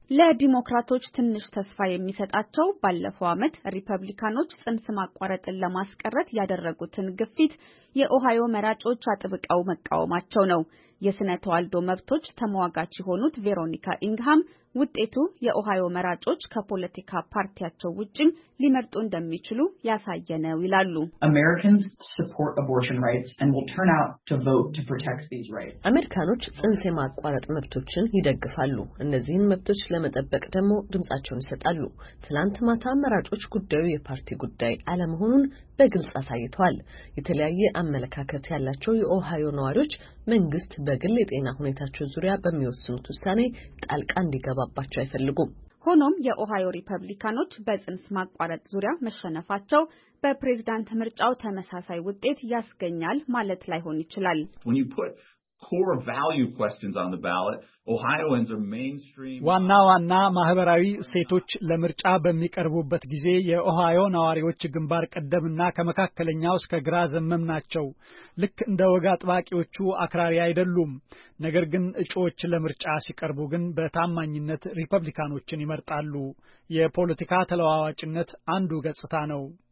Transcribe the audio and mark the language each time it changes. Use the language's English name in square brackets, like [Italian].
[Amharic] ለዲሞክራቶች ትንሽ ተስፋ የሚሰጣቸው ባለፈው አመት ሪፐብሊካኖች ጽንስ ማቋረጥን ለማስቀረት ያደረጉትን ግፊት የኦሃዮ መራጮች አጥብቀው መቃወማቸው ነው። የስነ ተዋልዶ መብቶች ተሟጋች የሆኑት ቬሮኒካ ኢንግሃም ውጤቱ የኦሃዮ መራጮች ከፖለቲካ ፓርቲያቸው ውጪም ሊመርጡ እንደሚችሉ ያሳየ ነው ይላሉ። [English] Americans support abortion rights and will turn out to vote to protect these rights. [Amharic] አሜሪካኖች ጽንስ ማቋረጥ መብቶችን ይደግፋሉ። እነዚህን መብቶች ለመጠበቅ ደግሞ ድምጻቸውን ይሰጣሉ። ትላንት ማታ መራጮች ጉዳዩ የፓርቲ ጉዳይ አለመሆኑን በግልጽ አሳይቷል። የተለያየ አመለካከት ያላቸው የኦሃዮ ነዋሪዎች መንግስት በግል የጤና ሁኔታቸው ዙሪያ በሚወስኑት ውሳኔ ጣልቃ እንዲገባባቸው አይፈልጉም። ሆኖም የኦሃዮ ሪፐብሊካኖች በጽንስ ማቋረጥ ዙሪያ መሸነፋቸው በፕሬዝዳንት ምርጫው ተመሳሳይ ውጤት ያስገኛል ማለት ላይሆን ይችላል። [English] core value questions on the ballot Ohioans are mainstream [Amharic] ዋናዋና ማህበራዊ እሴቶች ለምርጫ በሚቀርቡበት ጊዜ የኦሃዮ ነዋሪዎች ግንባር ቀደምና ከመካከለኛው እስከ ግራ ዘመም ናቸው። ልክ እንደ ወጋ ጥባቂዎቹ አክራሪ አይደሉም። ነገር ግን እጩዎች ለምርጫ ሲቀርቡ ግን በታማኝነት ሪፐብሊካኖችን ይመርጣሉ። የፖለቲካ ተለዋዋጭነት አንዱ ገጽታ ነው።